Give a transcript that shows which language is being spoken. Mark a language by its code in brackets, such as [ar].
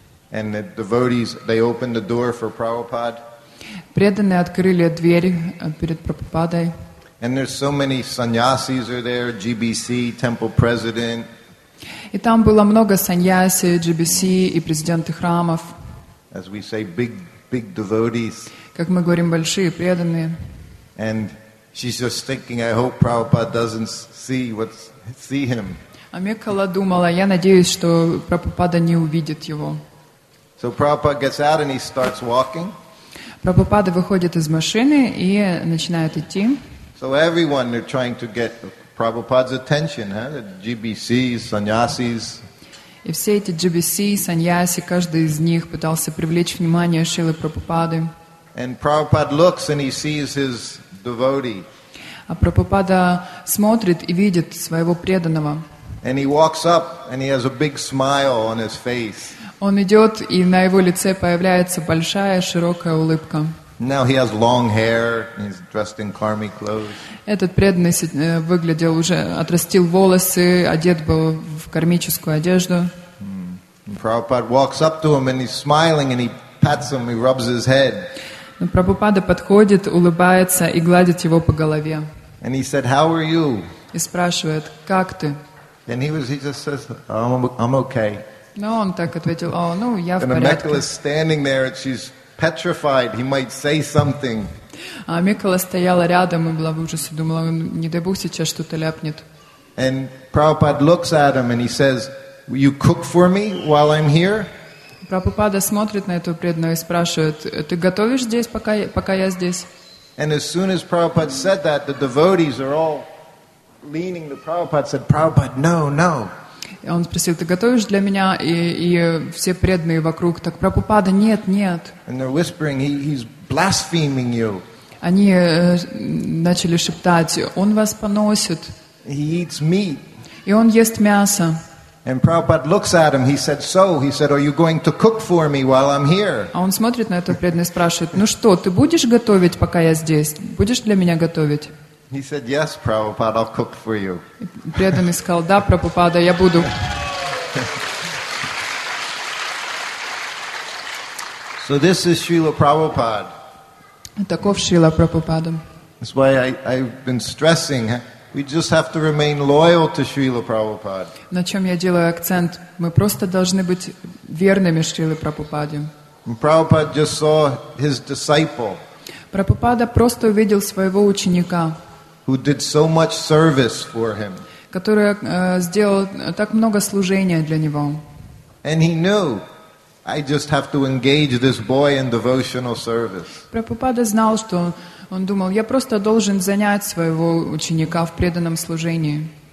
[en] And the devotees, they opened the door for Prabhupada. [ru] Преданные открыли дверь перед Прабхупадой. [en] And there's so many sannyasis are there, GBC, temple president. [ru] И там было много саньяси, GBC и президенты храмов. [en] As we say, big, big devotees. [ru] Как мы говорим, большие преданные. [en] And she's just thinking, I hope Prabhupada doesn't see him. [ru] А Мекала думала: я надеюсь, что Прабхупада не увидит его. [en] So Prabhupada gets out and he starts walking. [ru] Прабхупада выходит из машины и начинает идти. [en] So everyone they're trying to get Prabhupada's attention, huh? The GBCs, sannyasis. [ru] И все эти GBC, саньяси, каждый из них пытался привлечь внимание Шрилы Прабхупады. [en] And Prabhupada looks and he sees his devotee. [ru] А Прабхупада смотрит и видит своего преданного. [en] And he walks up and he has a big smile on his face. [ru] Он идет, и на его лице появляется большая, широкая улыбка. [en] Now he has long hair, and he's dressed in karmi clothes. [ru] Этот преданный выглядел уже, отрастил волосы, одет был в кармическую одежду. [en] And Prabhupada walks up to him, and he's smiling, and he pats him, he rubs his head. [ru] Но Прабхупада подходит, улыбается и гладит его по голове. [en] And he said, how are you? [ru] И спрашивает: как ты? [en] And he just says, I'm okay. [ru] Но он так ответил: о, ну, я в [en] and [ru] порядке. [en] And Mekkala is standing there, and she's petrified. He might say something. [ru] А Мекала стояла рядом и была в ужасе, думала: не дай бог сейчас что-то ляпнет. [en] And Prabhupada looks at him and he says, "You cook for me while I'm here?" [ru] Прабхупада смотрит на эту преданную и спрашивает: ты готовишь здесь, пока я здесь? [en] And as soon as Prabhupada said that, the devotees are all leaning to Prabhupada, said, "Prabhupada, no, no." [ru] Он спросил: ты готовишь для меня? И все преданные вокруг так: Прабхупада, нет, нет. [en] And they're whispering, he's blaspheming you. [ru] Они начали шептать: он вас поносит. [en] He eats meat. [ru] И он ест мясо. [en] And Prabhupada looks at him, he said, so, he said, are you going to cook for me while I'm here? [ru] А он смотрит на этого преданного и спрашивает: ну что, ты будешь готовить, пока я здесь? Будешь для меня готовить? [en] He said, yes, Prabhupada, I'll cook for you. [ru] Преданный сказал: да, Прабхупада, я буду. [en] So this is Srila Prabhupada. [ru] Таков Шрила Прабхупада. [en] That's why I've been stressing. We just have to remain loyal to Srila Prabhupada. [ru] На чем я делаю акцент? Мы просто должны быть верными Шриле Прабхупаде. [en] And Prabhupada just saw his disciple. [ru] Прабхупада просто увидел своего ученика. [en] Who did so much service for him? [ru] Который сделал так много служения для него. [en] And he knew, I just have to engage this boy in devotional service. [ru] Прабхупада знал, что он думал: я просто должен занять своего ученика в преданном служении.